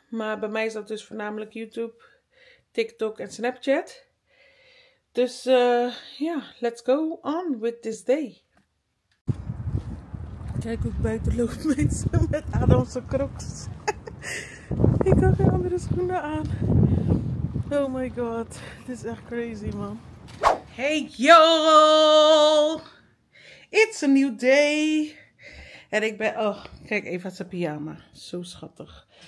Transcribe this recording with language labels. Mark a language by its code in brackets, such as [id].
[nl] Maar bij mij is dat dus voornamelijk YouTube, TikTok en Snapchat. Dus ja, [en] let's go on with this day. [nl] Kijk hoe ik buiten loop, mensen, met Adamse crocs. Ik had geen andere schoenen aan. [en] Oh my god, [nl] dit is echt crazy, man. Hey, yo! [en] It's a new day. [nl] En ik ben... Oh, kijk, Eva zijn pyjama. Zo schattig.